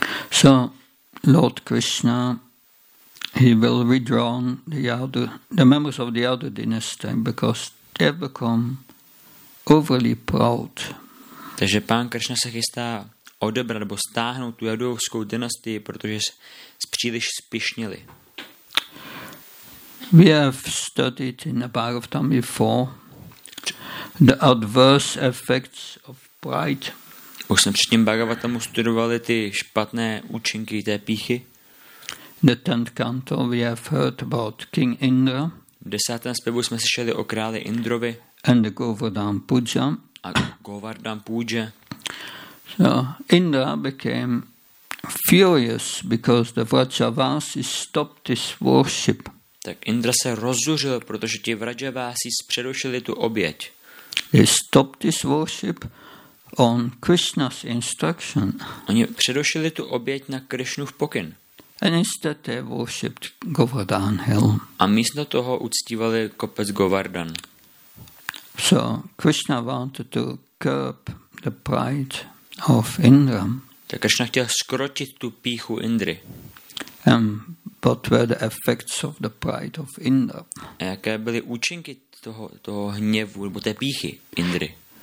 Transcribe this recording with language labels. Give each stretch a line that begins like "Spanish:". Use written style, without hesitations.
English: So, Lord Krishna, he will withdraw the members of the other dynasty because they have become overly proud.
Czech: Takže pán Krishna se chystá odebrat nebo stáhnout tu jadovskou dynastii, protože příliš spišnili.
English: We have studied in the Bhagavatam before the adverse effects of pride.
Czech: Už jsme předtím Bhagavatamu studovali ty špatné účinky té píchy.
English: The tenth canto we have heard about King Indra.
Czech: V desátém zpěvu jsme slyšeli o králi Indrovi.
English: And the Govardhan Puja.
Czech: A Govardhan Puja.
English: So Indra became furious because the Vrajavasis stopped his worship.
Czech: Tak Indra se rozzuřil, protože ti Vrajavasis přerušili tu oběť.
English: He stopped his worship on Krishna's instruction.
Czech: Oni přerušili tu oběť na Krishnův pokyn.
English: And instead they worshipped Govardhan Hill.
Czech: A místo toho uctívali kopec Govardhan.
English: So Krishna wanted to curb the pride of Indra.
Czech: Tak Krishna chtěl skrotit tu píchu Indry.
English: What were the effects of the pride of Indra?
Czech: A jaké byly účinky toho hněvu nebo té píchy Indry?